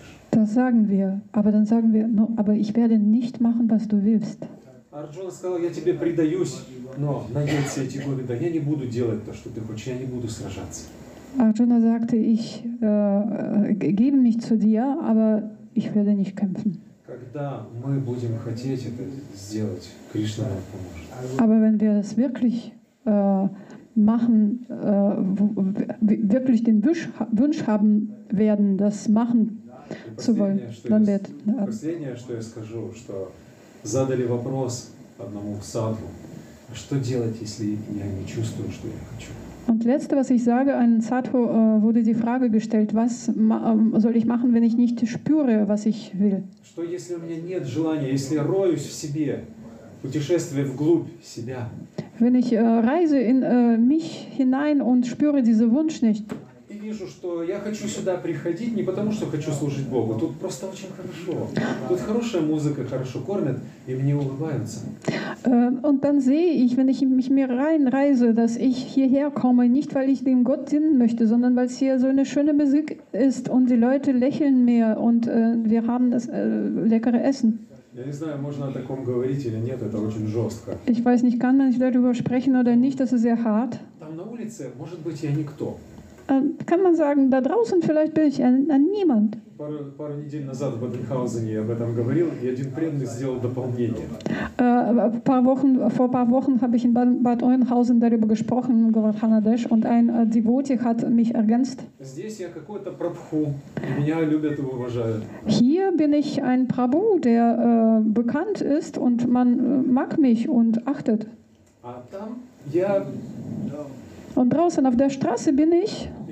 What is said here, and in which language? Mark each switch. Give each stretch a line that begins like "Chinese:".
German: Das sagen wir, aber dann sagen wir, no, aber ich werde nicht machen, was du willst.
Russian: Arjuna сказал, я тебе предаюсь, но на эти эти годы, да, я не буду делать то, что ты хочешь, я не буду сражаться.
German: Arjuna sagte, ich gebe mich zu dir, aber ich werde nicht kämpfen.
Russian: Когда мы будем хотеть это сделать, Кришна нам поможет.
German: Aber wenn wir es wirklich machen, wirklich den Wunsch haben werden, das machen zu wollen, dann wird.
Russian: Последнее, что я скажу, что задали вопрос одному садху, что делать, если я не чувствую, что я хочу.
German: Und letzte, was ich sage, an Sadhu wurde die Frage gestellt, was soll ich machen, wenn ich nicht spüre, was ich will?
Russian: Что, если у меня нет желания, если я роюсь в себе, путешествие вглубь себя?
German: Wenn ich reise in mich hinein und spüre diesen Wunsch nicht.
Russian: Вижу, что я хочу сюда приходить не потому, что хочу служить Богу. Тут просто очень хорошо. Тут хорошая музыка, хорошо кормят, и мне улыбаются.
German: Und dann sehe ich, wenn ich mich mehr reinreise, dass ich hierher komme, nicht weil ich dem Gott dienen möchte, sondern weil es hier so eine schöne Musik ist und die Leute lächeln mir und wir haben das leckere Essen.
Russian: Я не знаю, можно о таком говорить или нет, это очень жестко.
German: Ich weiß nicht, kann man darüber sprechen oder nicht, das ist sehr hart.
Russian: Там на улице, может быть, я никто.
German: Kann man sagen, da draußen vielleicht bin ich ein Niemand.
Russian: Пару недель назад в Баденхаузене я об этом говорил, и один преданный сделал дополнение.
German: Vor ein paar Wochen habe ich in Bad Oeynhausen darüber gesprochen, in Gauranadesh, und ein Devote hat mich ergänzt.
Russian: Здесь я какой-то Прабху, меня любят и уважают.
German: Hier bin ich ein Prabhu, der bekannt ist, und man mag mich und achtet.
Russian: А там я...
German: Und draußen auf der Straße bin ich.